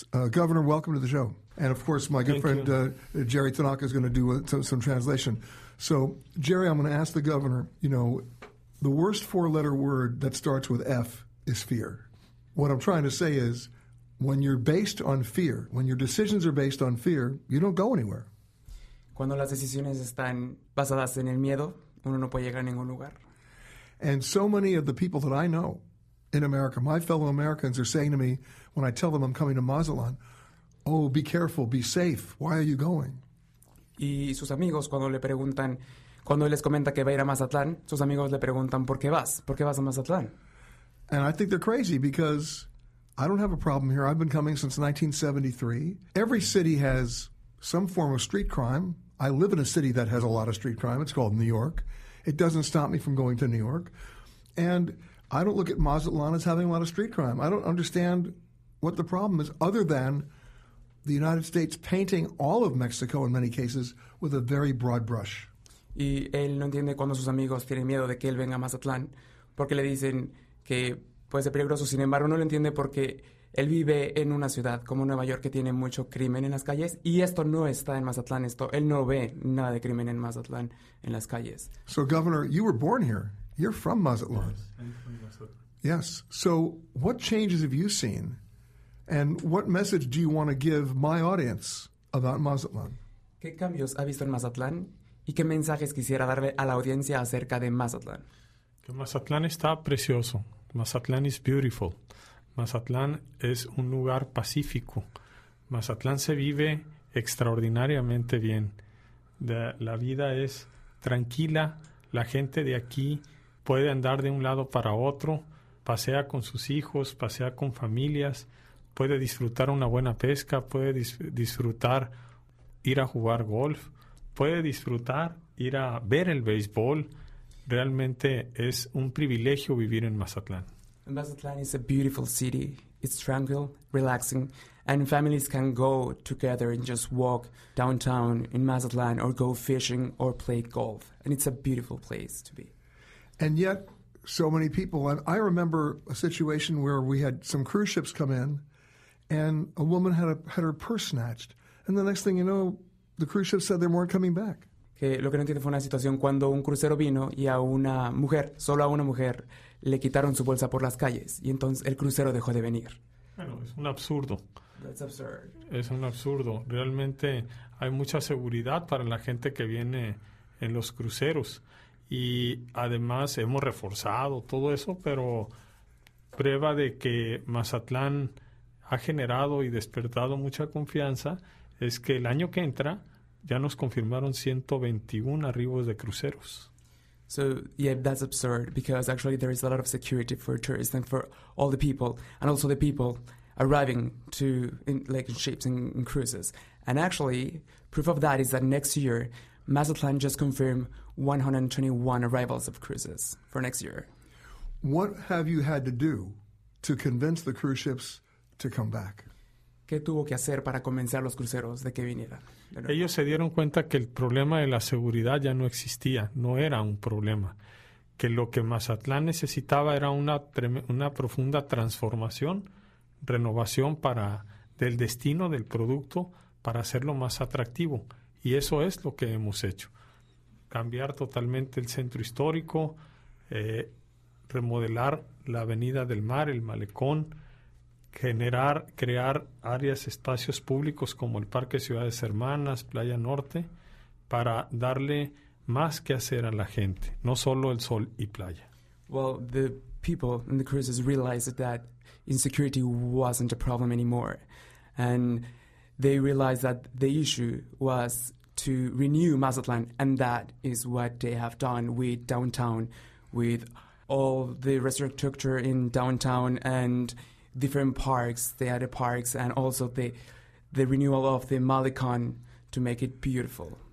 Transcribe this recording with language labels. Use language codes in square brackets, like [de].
[en] Governor, welcome to the show. And, of course, my good friend Jerry Tanaka is going to do some translation. So, Jerry, I'm going to ask the governor, you know, the worst four-letter word that starts with F is fear. What I'm trying to say is, when you're based on fear, when your decisions are based on fear, you don't go anywhere. [es] Cuando las decisiones están basadas en el miedo, uno no puede llegar a ningún lugar. [en] And so many of the people that I know in America, my fellow Americans, are saying to me when I tell them I'm coming to Mazatlan, oh, be careful, be safe, why are you going? [es] Y sus amigos cuando le preguntan, cuando él les comenta que va a ir a Mazatlán, sus amigos le preguntan, ¿por qué vas? ¿Por qué vas a Mazatlán? [en] And I think they're crazy because I don't have a problem here. I've been coming since 1973. Every city has some form of street crime. I live in a city that has a lot of street crime. It's called New York. It doesn't stop me from going to New York. And I don't look at Mazatlán as having a lot of street crime. I don't understand what the problem is other than the United States painting all of Mexico, in many cases, with a very broad brush. [es] Y él no entiende cuando sus amigos tienen miedo de que él venga a Mazatlán, porque le dicen que puede ser peligroso. Sin embargo, no lo entiende porque él vive en una ciudad como Nueva York que tiene mucho crimen en las calles, y esto no está en Mazatlán. Esto, él no ve nada de crimen en Mazatlán en las calles. [en] So, Governor, you were born here. You're from Mazatlán. Yes. Yes. So, what changes have you seen? And what message do you want to give my audience about Mazatlán? [es] ¿Qué cambios ha visto en Mazatlán? ¿Y qué mensajes quisiera darle a la audiencia acerca de Mazatlán? Que Mazatlán está precioso. [en] Mazatlán is beautiful. [es] Mazatlán es un lugar pacífico. Mazatlán se vive extraordinariamente bien. La vida es tranquila. La gente de aquí puede andar de un lado para otro. Pasea con sus hijos, pasea con familias. Puede disfrutar una buena pesca, puede disfrutar ir a jugar golf, puede disfrutar ir a ver el béisbol. Realmente es un privilegio vivir en Mazatlán. [en] Mazatlán is a beautiful city. It's tranquil, relaxing, and families can go together and just walk downtown in Mazatlán or go fishing or play golf. And it's a beautiful place to be. And yet, so many people, and I remember a situation where we had some cruise ships come in, and a woman had her purse snatched. And the next thing you know, the cruise ship said they weren't coming back. [es] Que lo que no entiendo fue una situación cuando un crucero vino y a una mujer, solo a una mujer, le quitaron su bolsa por las calles. Y entonces el crucero dejó de venir. Bueno, es un absurdo. [en] That's absurd. [es] Es un absurdo. Realmente hay mucha seguridad para la gente que viene en los cruceros. Y además hemos reforzado todo eso, pero prueba de que Mazatlán ha generado y despertado mucha confianza es que el año que entra ya nos confirmaron 121 arribos de cruceros. [en] So, yeah, that's absurd, because actually there is a lot of security for tourists and for all the people, and also the people arriving to in ships and cruises. And actually, proof of that is that next year, Mazatlán just confirmed 121 arrivals of cruises for next year. What have you had to do to convince the cruise ships to come back? [es] ¿Qué tuvo que hacer para convencer a los cruceros de que vinieran? Ellos se dieron cuenta que el problema de la seguridad ya no existía, no era un problema. Que lo que Mazatlán necesitaba era una profunda transformación, renovación para del destino, del producto, para hacerlo más atractivo. Y eso es lo que hemos hecho. Cambiar totalmente el centro histórico, remodelar la Avenida del Mar, el Malecón, crear áreas, espacios públicos como el Parque Ciudades Hermanas, Playa Norte, para darle más que hacer a la gente, no solo el sol y playa. [en] Well, the people in the cruises realized that insecurity wasn't a problem anymore. And they realized that the issue was to renew Mazatlán, and that is what they have done with downtown, with all the infrastructure in downtown and different parks, the other parks, and also the renewal of the Malecón to make it beautiful.